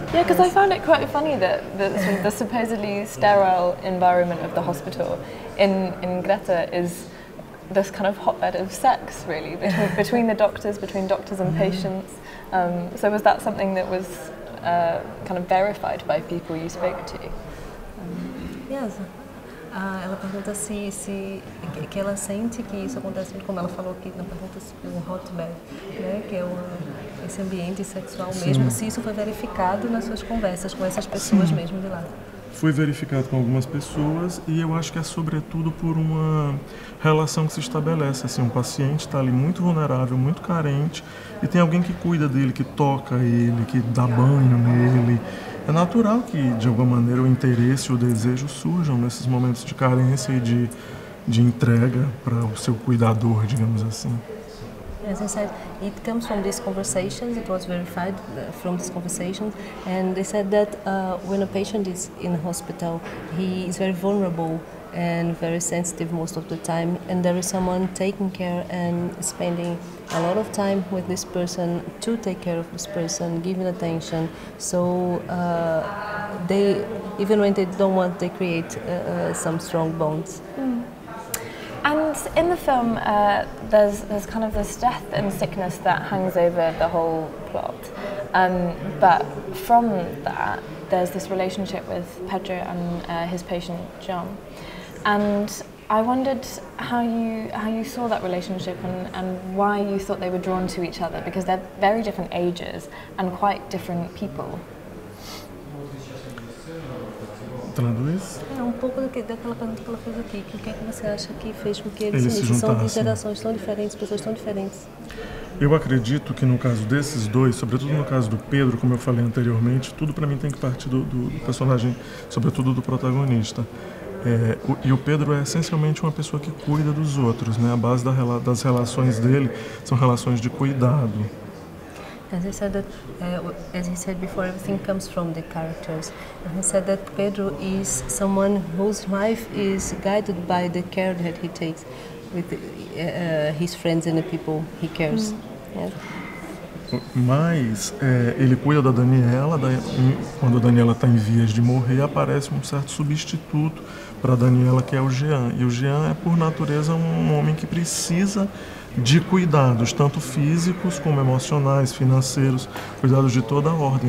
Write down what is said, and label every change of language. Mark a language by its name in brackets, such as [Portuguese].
[English] Yeah, because I found it quite funny that the supposedly sterile environment of the hospital in Greta is this kind of hotbed of sex, really, between the doctors, between doctors and patients. So was that something that was kind of verified by people you spoke to? Yes. [Portuguese] Ela pergunta se que ela sente que isso acontece, como ela falou aqui na pergunta, se um hotbed, né, que é esse ambiente sexual mesmo, se isso foi verificado nas suas conversas com essas pessoas mesmo de lá. Foi verificado com algumas pessoas e eu acho que é sobretudo por uma relação que se estabelece. Assim, um paciente está ali muito vulnerável, muito carente, e tem alguém que cuida dele, que toca ele, que dá banho nele. É natural que, de alguma maneira, o interesse e o desejo surjam nesses momentos de carência e de entrega para o seu cuidador, digamos assim. [English] As I said, it comes from these conversations, it was verified from these conversations, and they said that when a patient is in the hospital, he is very vulnerable and very sensitive most of the time, and there is someone taking care and spending a lot of time with this person to take care of this person, giving attention, so they, even when they don't want, they create some strong bonds. Mm. And in the film, there's kind of this death and sickness that hangs over the whole plot. But from that, there's this relationship with Pedro and his patient, John. And I wondered how you saw that relationship and why you thought they were drawn to each other, because they're very different ages and quite different people. [Portuguese] É um pouco daquela pergunta que ela fez aqui, que o que é que você acha que fez com que eles se juntassem? São interações tão diferentes, pessoas tão diferentes. Eu acredito que no caso desses dois, sobretudo no caso do Pedro, como eu falei anteriormente, tudo para mim tem que partir do personagem, sobretudo do protagonista. E o Pedro é essencialmente uma pessoa que cuida dos outros, né? A base das relações dele são relações de cuidado. [English] As he said that, as he said before, everything comes from the characters. And he said that Pedro is someone whose life is guided by the care that he takes with his friends and the people he cares. [Portuguese] Mas ele cuida da Daniela, quando a Daniela está em vias de morrer, aparece um certo substituto para a Daniela, que é o Jean. E o Jean é, por natureza, um homem que precisa de cuidados, tanto físicos como emocionais, financeiros, cuidados de toda a ordem.